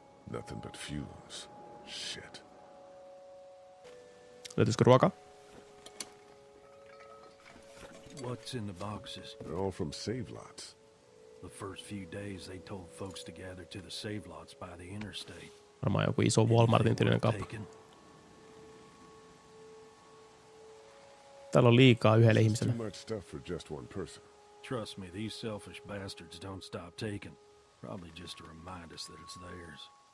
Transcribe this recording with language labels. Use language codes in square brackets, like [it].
[en] Nothing but fumes. Shit. [fi] Löytyisikö ruoka? [en] What's in the boxes? They're all from save lots. The first few days they told folks to gather to the save lots by the interstate. [fi] Varmaan joku iso Walmartin tyylinen kappa. Täällä on liikaa yhdelle ihmiselle. [en] Too much stuff for just one person. Trust me, these selfish bastards don't stop taking. Probably just to remind us that it's theirs.